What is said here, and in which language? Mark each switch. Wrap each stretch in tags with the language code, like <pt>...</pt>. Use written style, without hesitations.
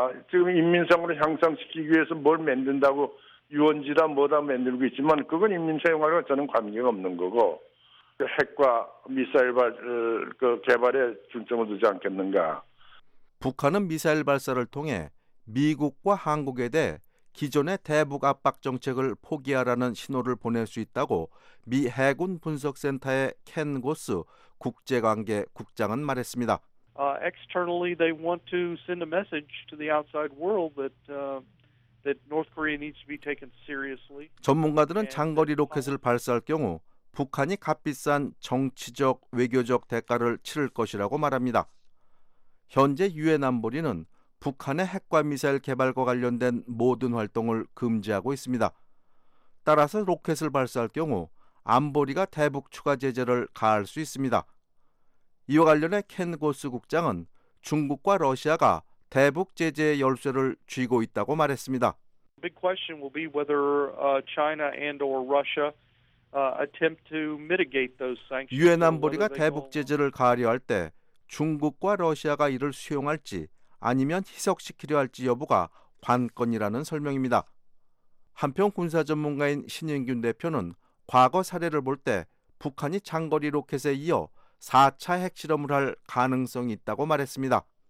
<ko>지금 인민성으로 향상시키기 위해서 뭘 만든다고 유언지다 뭐다 만들고 있지만 그건 인민성과 저는 관계가 없는 거고 핵과 미사일 개발에 중점을 두지 않겠는가. 북한은 미사일 발사를 통해 미국과 한국에 대해 기존의 대북 압박 정책을 포기하라는 신호를 보낼 수 있다고 미 해군 분석센터의 켄 고스 국제관계 국장은 말했습니다.</ko> <en>Externally, they want to send a message to the outside world that North Korea needs to be taken seriously.</en> <ko>전문가들은 장거리 로켓을 발사할 경우 북한이 값비싼 정치적 외교적 대가를 치를 것이라고 말합니다. 현재 유엔 안보리는 북한의 핵과 미사일 개발과 관련된 모든 활동을 금지하고 있습니다. 따라서 로켓을 발사할 경우 안보리가 대북 추가 제재를 가할 수 있습니다. 이와 관련해 켄 고스 국장은 중국과 러시아가 대북 제재의 열쇠를 쥐고 있다고 말했습니다.</ko> <en>Big question will be whether China and or Russia attempt to mitigate those sanctions.</en> <ko>유엔 안보리가 대북 제재를 가하려 할 때 중국과 러시아가 이를 수용할지 아니면 희석시키려 할지 여부가 관건이라는 설명입니다. 한편 군사 전문가인 신영균 대표는 과거 사례를 볼 때 북한이 장거리 로켓에 이어 4차 핵실험을 할 가능성이 있다고 말했습니다.</ko>